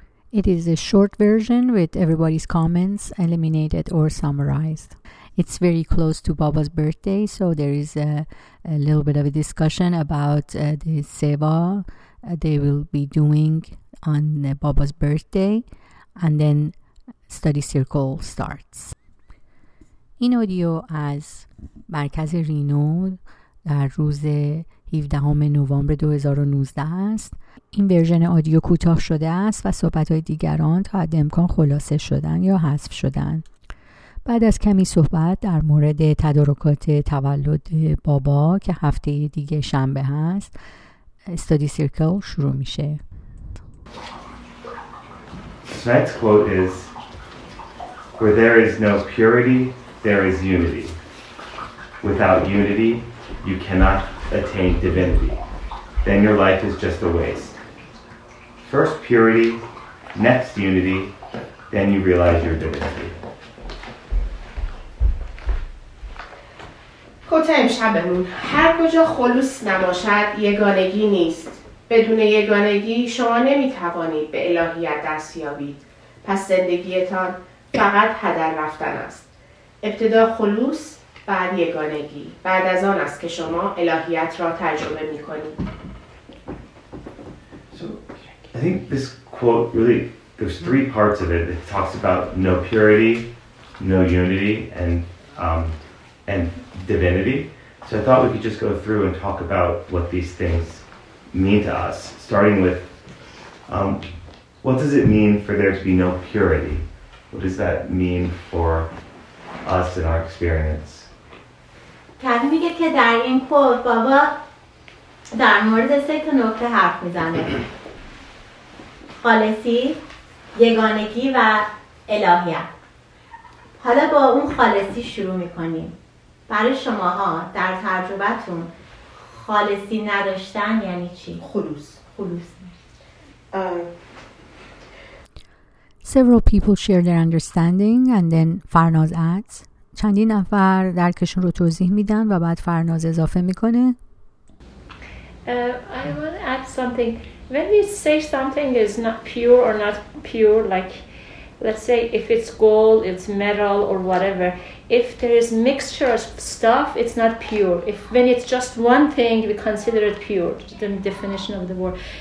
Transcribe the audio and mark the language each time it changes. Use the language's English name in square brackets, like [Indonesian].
[English] It is a short version with everybody's comments eliminated or summarized. It's very close to Baba's birthday, so there is a little bit of a discussion about the seva they will be doing on Baba's birthday, and then study circle starts. [Persian] این اودیو از مرکز رینو در روز 17 نوامبر 2019 است. این ورژن اودیو کوتاه شده است و صحبت‌های دیگران تا حد امکان خلاصه شدن یا حذف شدن. بعد از کمی صحبت در مورد تدارکات تولد بابا که هفته دیگه شنبه هست، استادی سیرکل شروع میشه. [English] Tonight's quote is, where there is no purity, there is unity. Without unity, you cannot attain divinity. Then your life is just a waste. First purity, next unity, then you realize your divinity. [Persian] کوته امشبمون، هر کجا خلوص نباشد یگانگی نیست. بدون یگانگی شما نمیتوانید به الهیت دست یابید. پس زندگیتان فقط هدر رفتن است. ابتدا خلوص، بعد یگانگی. بعد از آن است که شما الهیت را تجربه میکنید. [English] So, I think this quote really, there's three parts of it. It talks about no purity, no unity, and divinity. So I thought we could just go through and talk about what these things mean to us, starting with what does it mean for there to be no purity? What does that mean for us in our experience? [Persian] کسی میگه که در این کوت بابا در مورد سه تا نکته حرف میزنه. خالصی، یگانگی و الهیت. حالا با اون خالصی شروع میکنیم. برای شماها در تجربتون خالصی نداشتن یعنی چی؟ خلوص. [English] Several people share their understanding and then Farnaz adds. [Persian] چندی نفر درکشون رو توضیح میدن و بعد فرناز اضافه میکنه. [English] I want to add something. When you say something is not pure or not pure, like let's say if it's gold, it's metal or whatever, if there is mixture of stuff, it's not pure. If when it's just one thing, we consider it pure, the definition of the word.